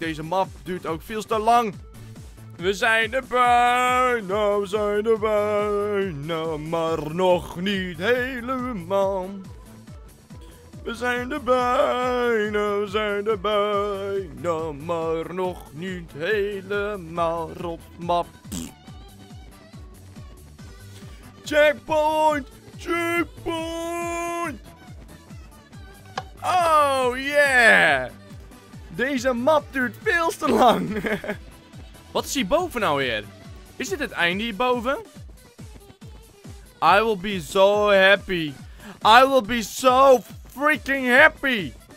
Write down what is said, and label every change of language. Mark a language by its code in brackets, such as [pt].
[nl] Deze map duurt ook veel te lang. We zijn erbij, nou we zijn erbij, nou maar nog niet helemaal. We zijn erbij, nou we zijn erbij, nou maar nog niet helemaal. Rot map. [en] Checkpoint, checkpoint. Oh yeah. [nl] Deze map duurt veel te lang. Wat is hierboven nou weer? Is dit het einde hierboven? [en] I will be so happy. I will be so freaking happy.